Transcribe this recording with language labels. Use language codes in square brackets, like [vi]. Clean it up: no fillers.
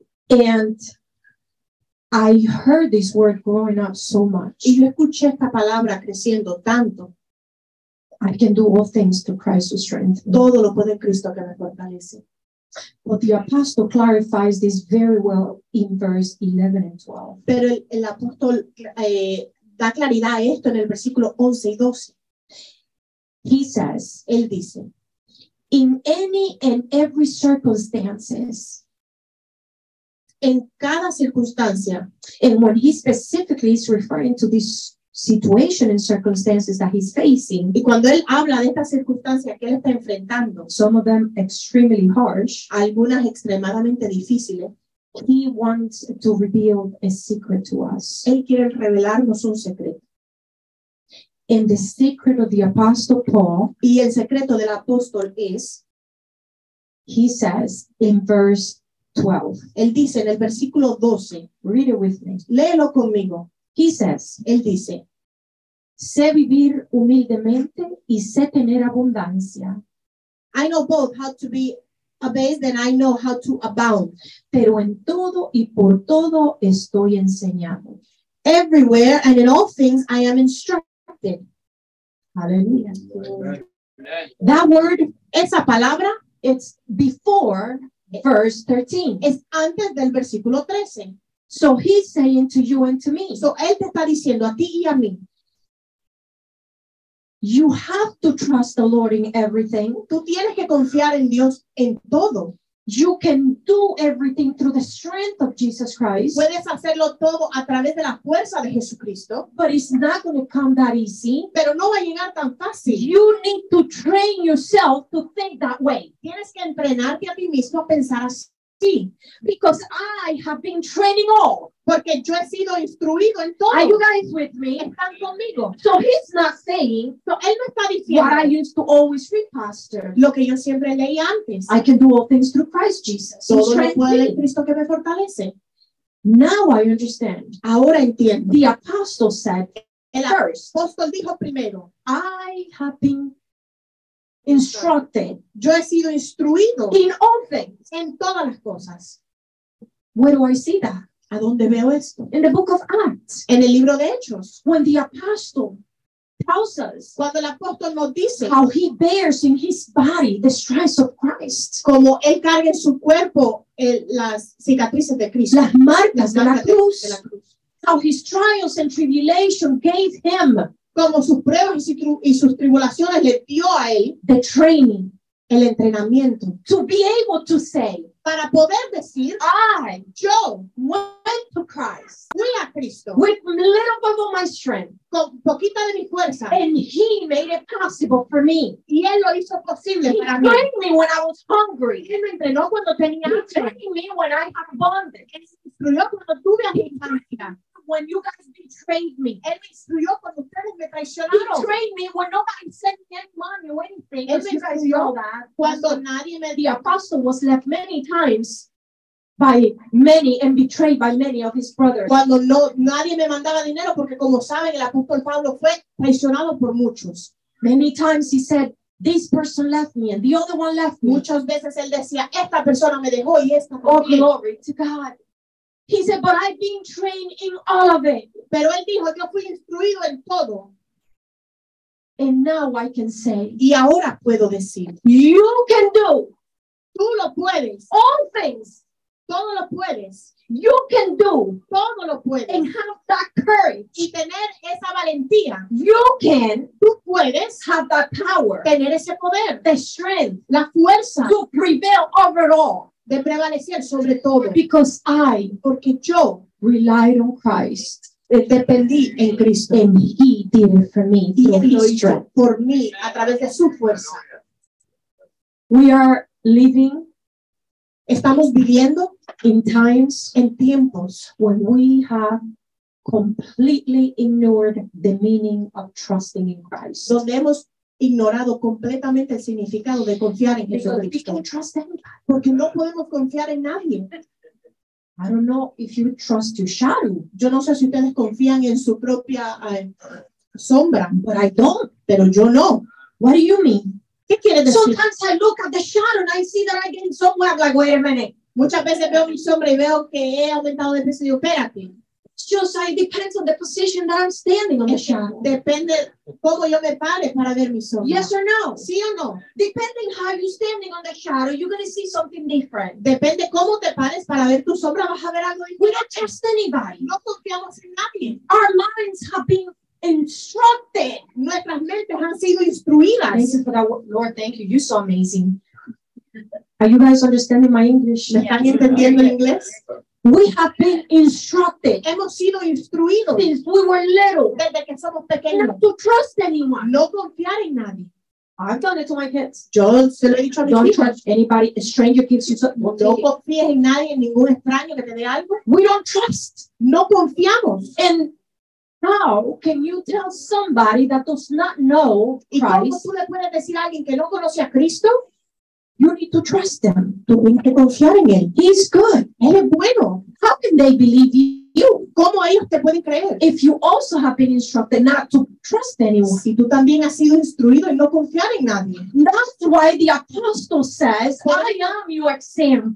[en] And I heard this word growing up so much. [es] Y yo escuché esta palabra creciendo tanto. [en] I can do all things through Christ who strengthens me. [es] Todo lo puede Cristo que me fortalece. [en] But the apostle clarifies this very well in verse 11 and 12. [es] Pero el apóstol da claridad a esto en el versículo 11 y 12. [en] He says, [es] él dice, [en] in any and every circumstances, [es] en cada circunstancia, [en] and when he specifically is referring to this situation and circumstances that he's facing, [es] y cuando él habla de estas circunstancias que él está enfrentando, [en] some of them extremely harsh, [es] algunas extremadamente difíciles, [en] he wants to reveal a secret to us. [es] Él quiere revelarnos un secreto. [en] And the secret of the apostle Paul, [es] y el secreto del apóstol es, [en] he says in verse 12. [es] Él dice en el versículo 12. [en] Read it with me. [es] Léelo conmigo. [en] He says. [es] Él dice. Sé vivir humildemente y sé tener abundancia. [en] I know both how to be abased and I know how to abound. [es] Pero en todo y por todo estoy enseñado. [en] Everywhere and in all things I am instructed. [es] Aleluya. [en] That word, [es] esa palabra, [en] it's before verse 13. [es] Es antes del versículo 13. [en] So he's saying to you and to me. [es] So él te está diciendo a ti y a mí. [en] You have to trust the Lord in everything. [es] Tú tienes que confiar en Dios en todo. [en] You can do everything through the strength of Jesus Christ. [es] Puedes hacerlo todo a través de la fuerza de Jesucristo. [en] But it's not going to come that easy. [es] Pero no va a llegar tan fácil. [en] You need to train yourself to think that way. [es] Tienes que entrenarte a ti mismo a pensar así. [en] Because I have been training all. [es] Porque yo he sido instruido en todo. [en] Are you guys with me? [es] Están conmigo. [en] So he's not saying. [es] So él no está diciendo. [en] What I used to always read, pastor. [es] Lo que yo siempre leí antes. [en] I can do all things through Christ Jesus. [es] Todo lo puedo en Cristo que me fortalece. [en] Now I understand. [es] Ahora entiendo. [en] The apostle said. [es] El apóstol dijo primero. [en] I have been instructed. [es] Yo he sido instruido. [en] In all things. [es] En todas las cosas. [en] Where do I see that? [es] ¿A dónde veo esto? [en] In the book of Acts. [es] En el libro de Hechos. [en] When the apostle tells us. [es] Cuando el apóstol nos dice. [en] How he bears in his body the stripes of Christ. [es] Como él carga en su cuerpo las cicatrices de Cristo. Las marcas de la cruz. De la cruz. [en] How his trials and tribulation gave him. [es] Como sus pruebas y sus tribulaciones le dio a él. [en] The training. [es] El entrenamiento. [en] To be able to say. [es] Para poder decir, [en] I, [es] yo, [en] went to Christ, [es] fui a Cristo, [en] with little bit of my strength, [es] con poquita de mi fuerza, [en] and he made it possible for me. [es] Y él lo hizo posible [en] he [es] para [en] trained [es] mí. [en] Me when I was hungry. [es] Él me entrenó cuando tenía [en] he hambre. Trained me when I had abundance. [es] Él me instruyó cuando tuve abundancia. [en] When you guys betrayed me. [es] Él me instruyó cuando ustedes me traicionaron. [en] He trained me when nobody sent me any money or anything. [es] Él me instruyó cuando nadie me... [en] The apostle was left many times by many and betrayed by many of his brothers. [es] Cuando no, nadie me mandaba dinero porque como saben el apóstol Pablo fue traicionado por muchos. [en] Many times he said, this person left me and the other one left me. [es] Muchas veces él decía, esta persona me dejó y esta [en] también. Oh, glory to God. He said, but I've been trained in all of it. [es] Pero él dijo, yo fui instruido en todo. [en] And now I can say. [es] Y ahora puedo decir. [en] You can do. [es] Tú lo puedes. [en] All things. [es] Todo lo puedes. [en] You can do. [es] Todo lo puedes. [en] And have that courage. [es] Y tener esa valentía. [en] You can. [es] Tú puedes. [en] Have that power. [es] Tener ese poder. [en] The strength. [es] La fuerza. [en] To prevail over all. [es] De prevalecer sobre todo. [en] Because I, [es] porque yo, [en] relied on Christ. [es] Dependí en Cristo. [en] And he did it for me. [es] Y él lo hizo por mí a través de su fuerza. [en] We are living. [es] Estamos viviendo. [en] In times. [es] En tiempos. [en] When we have completely ignored the meaning of trusting in Christ. [es] Donde hemos ignorado completamente el significado de confiar en Jesucristo. Porque no podemos confiar en nadie. [en] I don't know if you trust your shadow. [es] Yo no sé si ustedes confían en su propia sombra. [en] But I don't. [es] Pero yo no. [en] What do you mean? [es] ¿Qué quiere decir? [en] Sometimes I look at the shadow and I see that I'm getting somewhere. I'm like, wait a minute. [es] Muchas veces veo mi sombra y veo que he aumentado de peso y digo, espérate. [en] Just it depends on the position that I'm standing on the shadow. [es] Depende cómo yo me pare para ver mi sombra. [en] Yes or no? [es] Sí o no? [en] Depending how you're standing on the shadow, you're going to see something different. [es] Depende cómo te pares para ver tu sombra, vas a ver algo diferente. [en] We don't trust anybody. [es] No confiamos en nadie. [en] Our minds have been instructed. [es] Nuestras mentes han sido instruidas. [en] Thank you for that, Lord. Thank you. You're so amazing. Are you guys understanding my English? [es] ¿Me están entendiendo el inglés? [en] We have been instructed. [es] Hemos sido instruidos. [en] Since we were little. [es] Desde que somos pequeños. [en] Not to trust anyone. [es] No confiar en nadie. [en] I've done it to my kids. [es] Yo se lo he dicho a mis [en] hijos. Don't trust anybody. A stranger gives you something. [es] No confíes en nadie, en ningún extraño que te dé algo. [en] We don't trust. [es] No confiamos. [en] And how can you tell somebody that does not know Christ? [es] ¿Y cómo tú le puedes decir a alguien que no conoce a Cristo? [en] You need to trust them. [es] Tú tienes que confiar en él. [en] He's good. [es] Él es bueno. [en] How can they believe you? [es] ¿Cómo ellos te pueden creer? [en] If you also have been instructed not to trust anyone. [es] Si tú también has sido instruido en no confiar en nadie. [en] That's why the apostle says, por, I am your example.